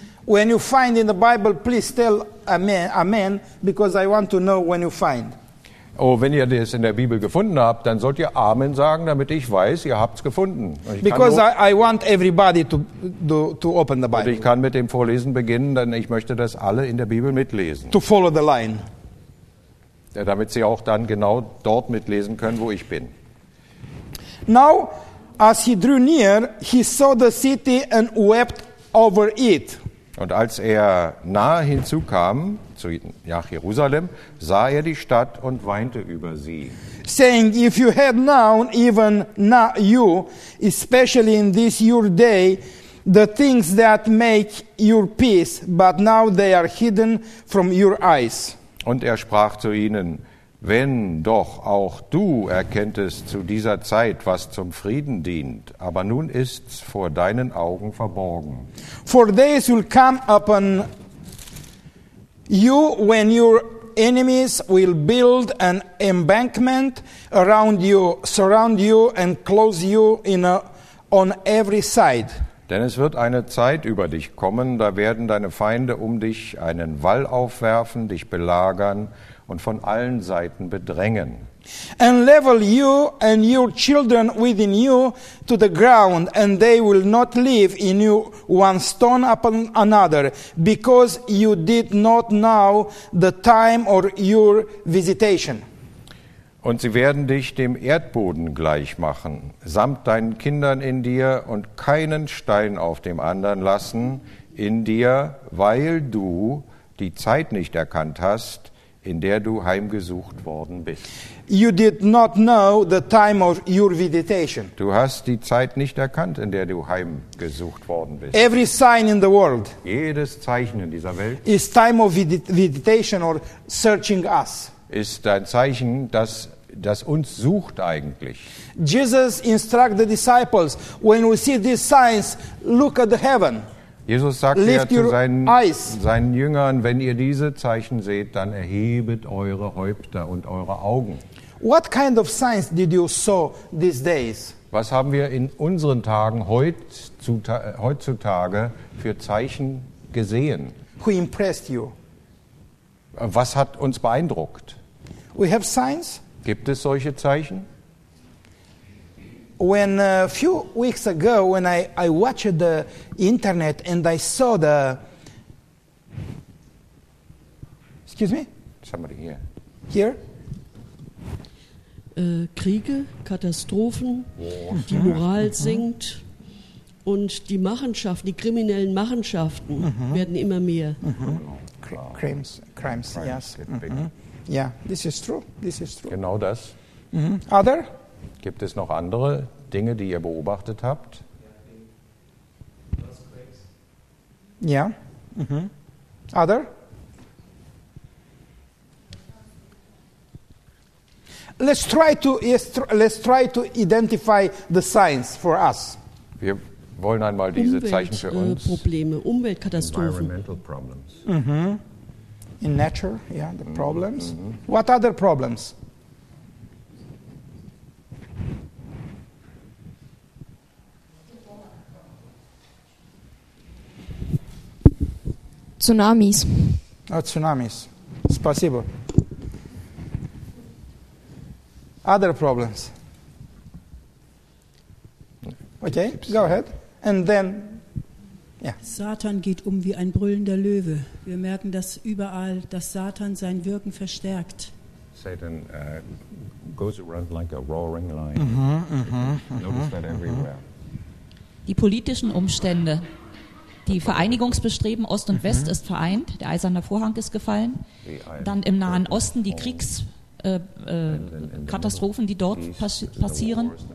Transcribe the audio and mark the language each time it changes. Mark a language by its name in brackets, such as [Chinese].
[English] When you find in the Bible, please tell amen, because I want to know when you find. [German] Oh, wenn ihr das in der Bibel gefunden habt, dann sollt ihr Amen sagen, damit ich weiß, ihr habt's gefunden. [English] I want everybody to open the Bible. [German] Und ich kann mit dem Vorlesen beginnen, denn ich möchte, dass alle in der Bibel mitlesen. [English] To follow the line. [German] Ja, damit sie auch dann genau dort mitlesen können, wo ich bin. [English] Now, as he drew near, he saw the city and wept over it. [German] Und als er nahe hinzukam, nach Jerusalem, sah er die Stadt und weinte über sie. [English] saying, if you had known even not you, especially in this your day, the things that make your peace, but now they are hidden from your eyes. [German] Und er sprach zu ihnen, wenn doch auch du erkenntest zu dieser Zeit, was zum Frieden dient, aber nun ist's vor deinen Augen verborgen. [English] For days will come upon you when your enemies will build an embankment around you and close you in a, on every side. [German] Denn es wird eine Zeit über dich kommen, da werden deine Feinde um dich einen Wall aufwerfen, dich belagern und von allen Seiten bedrängen. [English] And level you and your children within you to the ground, and they will not leave in you one stone upon another, because you did not know the time or your visitation. [German] Und sie werden dich dem Erdboden gleich machen, samt deinen Kindern in dir, und keinen Stein auf dem anderen lassen in dir, weil du die Zeit nicht erkannt hast, in der du heimgesucht worden bist. [English] You did not know the time of your visitation. [German] Du hast die Zeit nicht erkannt, in der du heimgesucht worden bist. [English] Every sign in the world, [German] jedes Zeichen in dieser Welt, [English] is time of visitation or searching us. [German] Ist ein Zeichen, das uns sucht eigentlich. [English] Jesus instructed the disciples, when we see these signs, look at the heaven. [German] Jesus sagt lift ja zu seinen Jüngern, wenn ihr diese Zeichen seht, dann erhebet eure Häupter und eure Augen. [English] What kind of signs did you saw these days? [German] Was haben wir in unseren Tagen heutzutage für Zeichen gesehen? [English] Who impressed you? [German] Was hat uns beeindruckt? [English] We have signs. [German] Gibt es solche Zeichen? [English] When a few weeks ago, when I watched the internet and I saw the, excuse me, somebody here, [German] Kriege, Katastrophen, oh. Die Moral sinkt und die Machenschaften, die kriminellen Machenschaften werden immer mehr. [English] Crimes, yes. Yeah, this is true. [German] Genau das. [English] Other? [German] Gibt es noch andere Dinge, die ihr beobachtet habt? [English] Ja. Other? Let's try to identify the signs for us. [German] Wir wollen einmal diese Zeichen für uns. Umweltprobleme, Umweltkatastrophen. [English] Environmental problems. In nature, yeah, the problems. What other problems? Tsunamis. Oh, tsunamis. [Russian] Спасибо. [English] Other problems. Okay, go ahead. And then, yeah. [German] Satan geht um wie ein brüllender Löwe. Wir merken das überall, dass Satan sein Wirken verstärkt. [English] Satan goes around like a roaring lion. Notice that everywhere. [German] Die politischen Umstände. Die Vereinigungsbestreben Ost und West ist vereint, der eiserne Vorhang ist gefallen. Dann im Nahen Osten die Kriegskatastrophen, die dort passieren.